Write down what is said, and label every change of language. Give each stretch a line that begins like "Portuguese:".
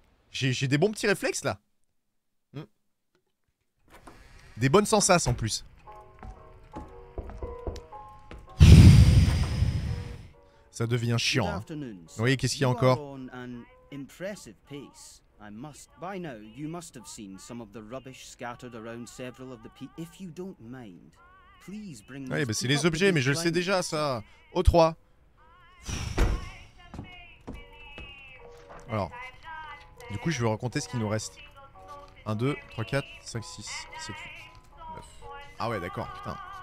French: J'ai des bons petits réflexes là. Des bonnes sensas en plus. Ça devient chiant. Hein. Oui, qu'est-ce qu'il y a encore ?
English: I must, by now, you must have seen some of the rubbish scattered around several of the peaks. If you don't mind, please bring this.
French: Oui, bah c'est les objets, mais je le sais déjà ça. O3. Alors. Du coup, je vais raconter ce qu'il nous reste. 1, 2, 3, 4, 5, 6, 7, 8, 9. Ah ouais, d'accord, putain.